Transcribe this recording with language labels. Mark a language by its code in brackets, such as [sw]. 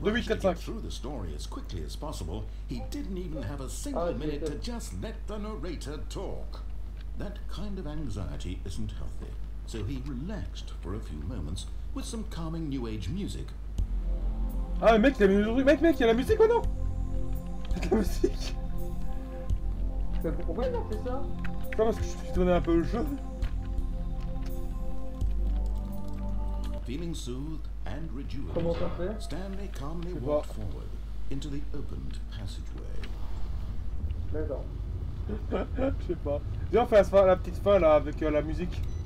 [en] to get through the story as quickly as possible. He didn't even have a single minute to just let the narrator talk. That kind of anxiety isn't healthy, so he relaxed for a few moments with some calming New Age music. [fr] Ah, mec, y'a la musique, mec, y'a la musique ou non? C'est la musique. Pourquoi il a fait ça? Je pense que je suis tourné un peu le jeu. [en] Feeling soothed and rejuvenated, [fr] comment ça fait? [en] Stanley calmly walked forward into the opened passageway. [fr] D'accord. Je sais pas. Viens, on fait la petite fin là avec la musique.